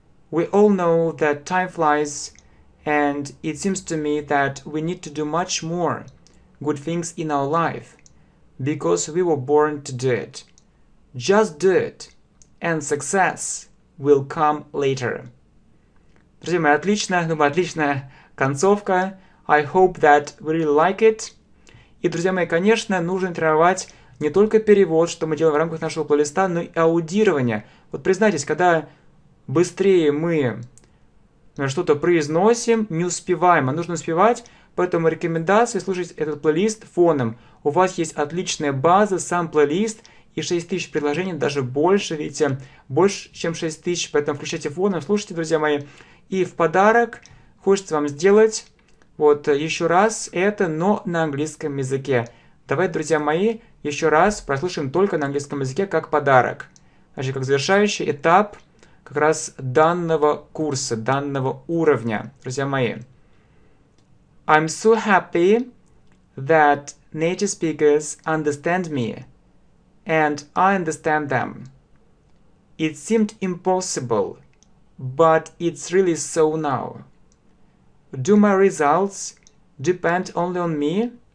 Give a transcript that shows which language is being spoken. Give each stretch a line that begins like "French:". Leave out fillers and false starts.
English: We all know that time flies, and it seems to me that we need to do much more good things in our life, because we were born to do it. Just do it, and success will come later.
Russian: Друзья мои, отличная концовка.
English: I hope that we really like it.
Russian: И, друзья мои, конечно, нужно тренировать не только перевод, что мы делаем в рамках нашего плейлиста, но и аудирование. Вот признайтесь, когда быстрее мы что-то произносим, не успеваем, а нужно успевать, поэтому рекомендация слушать этот плейлист фоном. У вас есть отличная база, сам плейлист и 6000 предложений, даже больше, видите, больше, чем 6000, поэтому включайте фоном, слушайте, друзья мои. И в подарок хочется вам сделать... Вот еще раз это, но на английском языке. Давайте, друзья мои, еще раз прослушаем только на английском языке как подарок. Значит, как завершающий этап как раз данного курса, данного уровня, друзья мои.
English: I'm so happy that native speakers understand me and I understand them. It seemed impossible, but it's really so now. Do my results depend only on me?